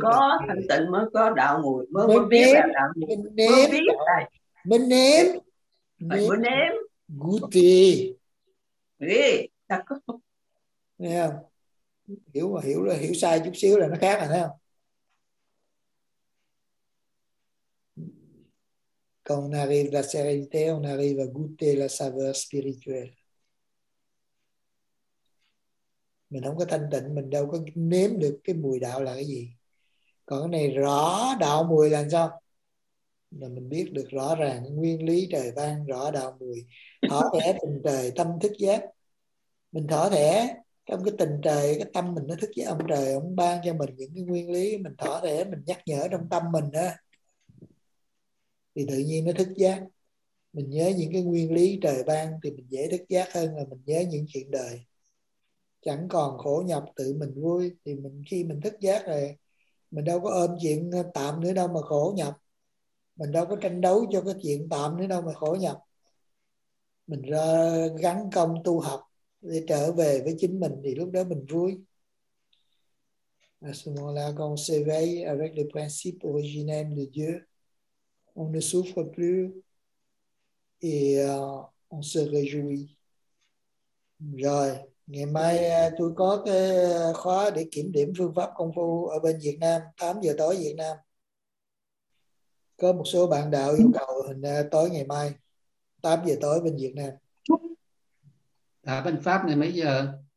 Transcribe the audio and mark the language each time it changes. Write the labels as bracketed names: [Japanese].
[Vietnamese] Có thanh tịnh mới có đạo mùi, mới biết là đạo mùi. Mình nếm. Mình nếm. Mình nếm. Guti. Nghe không? Hiểu mà hiểu là hiểu sai chút xíu là nó khác rồi, thấy không? [French] Quand on arrive à la sérénité, on arrive à goûter la saveur spirituelle. [Vietnamese] Mình không có thanh tịnh, mình đâu có nếm được cái mùi đạo là cái gì. Còn cái này rõ đạo mùi là sao? Là mình biết được rõ ràng nguyên lý trời ban, rõ đạo mùi. Thở thẻ tình trời, tâm thức giác. Mình thở thẻ trong cái tình trời, cái tâm mình nó thức giác. Ông trời, ông ban cho mình những cái nguyên lý. Mình thở thẻ, mình nhắc nhở trong tâm mình đó. Thì tự nhiên nó thức giác. Mình nhớ những cái nguyên lý trời ban thì mình dễ thức giác hơn là mình nhớ những chuyện đời. Chẳng còn khổ nhọc, tự mình vui. Thì mình khi mình thức giác rồi, mình đâu có ôm chuyện tạm nữa đâu mà khổ nhọc. Mình đâu có tranh đấu cho cái chuyện tạm nữa đâu mà khổ nhọc. Mình ra gắn công tu học để trở về với chính mình, thì lúc đó mình vui. [French] À ce moment-là, quand on s'éveille avec le principe originel de Dieu, on ne souffre plus et on se réjouit. [Vietnamese] Rồi, ngày mai tôi có cái khóa để kiểm điểm phương pháp công phu ở bên Việt Nam, 8 giờ tối Việt Nam. Có một số bạn đạo yêu cầu hình tối ngày mai, 8 giờ tối bên Việt Nam. À, bên Pháp này mấy giờ?